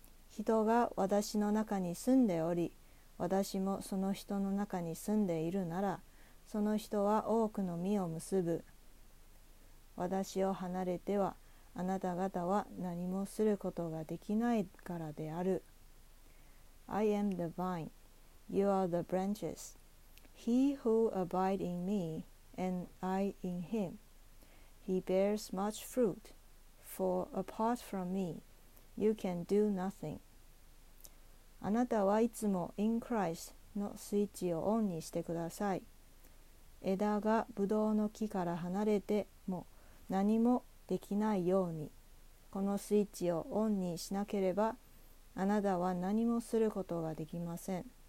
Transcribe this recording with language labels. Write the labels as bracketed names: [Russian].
[Japanese] 人が私の中に住んでおり、私もその人の中に住んでいるなら、その人は多くの実を結ぶ。私を離れてはあなた方は何もすることができないからである。 [English] I am the vine, you are the branches. He who abides in me and I in him, he bears much fruit, for apart from me you can do nothing. [Japanese] あなたはいつも [English] in Christ [Japanese] のスイッチをオンにしてください。枝がブドウの木から離れても何もできないように、このスイッチをオンにしなければあなたは何もすることができません。